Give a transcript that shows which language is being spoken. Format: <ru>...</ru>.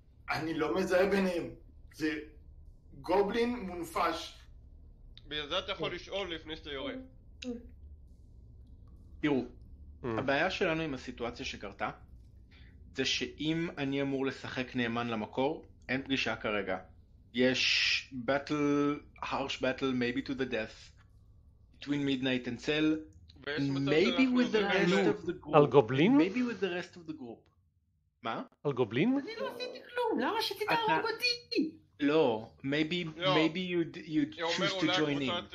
<he>אני לא מזהה ביניהם, זה... גובלין מונפש. בגלל זה אתה יכול לשאול לפני שאתה יורה. תראו, הבעיה שלנו עם הסיטואציה שקרתה זה שאם אני אמור לשחק נאמן למקור, אין פגישה כרגע. יש</he> <en>battle, harsh battle, maybe to the death, between midnight and cell, maybe with the rest of the group.</en> <he>על גובלין?</he> <en>Maybe with the rest of the group.</en> <he>מה? על גובלין? אני לא עשיתי כלום, למה שתתערב אותי? לא,</he> <en>maybe you'd choose to join in.</en>